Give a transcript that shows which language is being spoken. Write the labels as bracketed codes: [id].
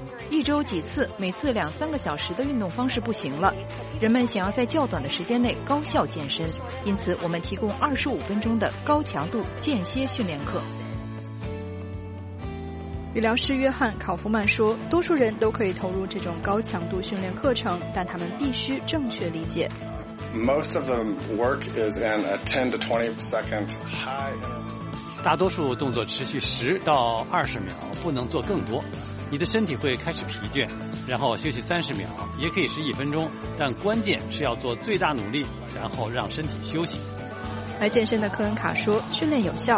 [zh] 一周几次，每次2-3个小时的运动方式不行了，人们想要在较短的时间内高效健身，因此我们提供25分钟的高强度间歇训练课。语疗师约翰·考夫曼说，多数人都可以投入这种高强度训练课程，但他们必须正确理解。 [en] Most of the work is in a 10-20 second high. [zh] 大多数动作持续10-20秒，不能做更多。你的身体会开始疲倦，然后休息30秒，也可以是1分钟，但关键是要做最大努力，然后让身体休息。来健身的科恩卡说，训练有效。